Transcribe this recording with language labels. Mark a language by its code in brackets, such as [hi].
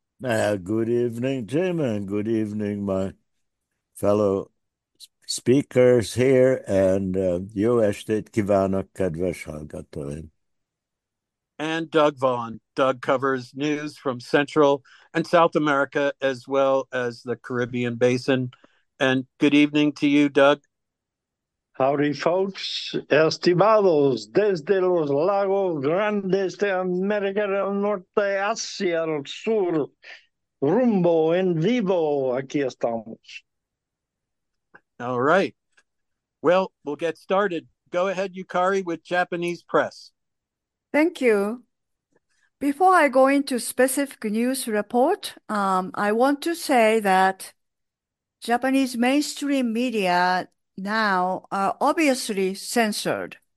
[en] Good evening, Jim, and good evening, my fellow speakers here, and you estet kivano kadveshagatoin. And Doug Vaughn. Doug covers news from Central and South America as well as the Caribbean basin. And good evening to you, Doug. Howdy, folks. [es] Estimados, desde los lagos grandes de América del Norte hacia el sur, rumbo en vivo, aquí estamos. [en] All right. Well, we'll get started. Go ahead, Yukari, with Japanese press. Thank you. Before I go into specific news report, I want to say that Japanese mainstream media now are obviously censored.